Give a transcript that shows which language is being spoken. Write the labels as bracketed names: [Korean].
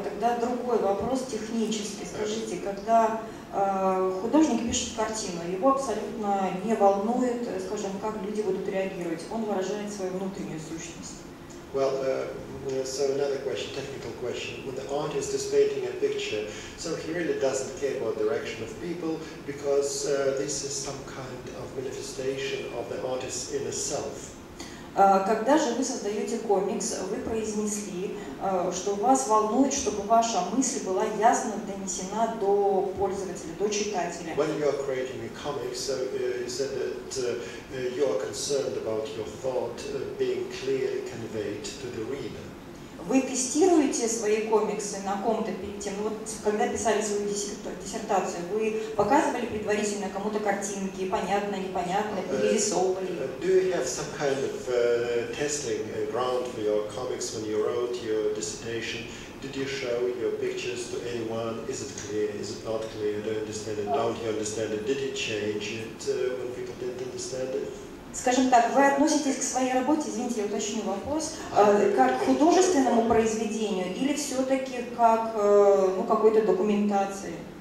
[Russian] Тогда другой вопрос технический. Скажите, когда художник пишет картину, его абсолютно не волнует, скажем, как люди будут реагировать. Он выражает свою внутреннюю сущность. [English] Well, so another question, technical question. When the artist is painting a picture, so he really doesn't care about the reaction of people, because this is some kind of manifestation of the artist's inner self. [Russian] Когда же вы создаете комикс, вы произнесли, что вас волнует, чтобы ваша мысль была ясно донесена до пользователя, до читателя. [English] When you are creating a comic, so you said that you are concerned about your thought being clearly conveyed to the reader. [Russian] Вы тестируете свои комиксы на ком-то перед тем, вот когда писали свою диссертацию, вы показывали предварительно кому-то картинки, понятно, непонятно, перерисовывали? [English] Do you have some kind of testing ground for your comics when you wrote your dissertation? Did you show your pictures to anyone? Is it clear? Is it not clear? Do you understand it? Don't you understand it? Did you change it when people didn't understand it? [Russian] Скажем так, вы относитесь к своей работе, извините, я уточню вопрос, как к художественному произведению или все-таки как ну, какой-то документации?